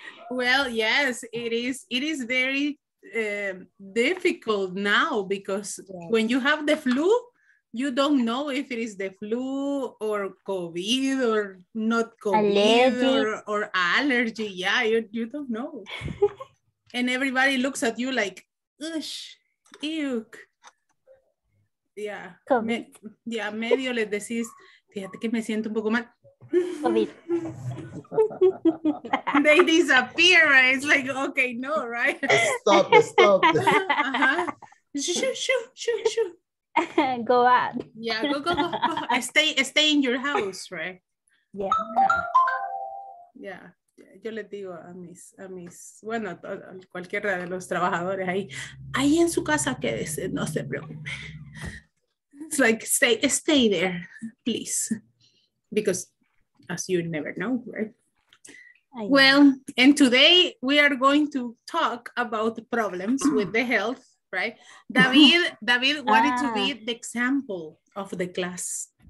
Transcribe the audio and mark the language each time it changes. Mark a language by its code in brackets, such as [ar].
[en] Well, yes, it is very difficult now because when you have the flu, you don't know if it is the flu or COVID or not COVID or allergy. Yeah, you don't know. And everybody looks at you like, ush, ew. Yeah, COVID. [es] Ya medio les decís, fíjate que me siento un poco mal. [en] COVID. They disappear, right? It's like, okay, no, right? Stop, stop. Uh-huh. Shoo, shoo, shoo, shoo. Go out. Yeah, go, go, go, go. Stay in your house, right? Yeah. Yeah, [es] yo les digo a mis, bueno, a cualquiera de los trabajadores ahí en su casa quédese, no se preocupe. [en] It's like stay there, please, because as you never know, right? Well, and today we are going to talk about the problems with the health, right? David wanted to be the example of the class.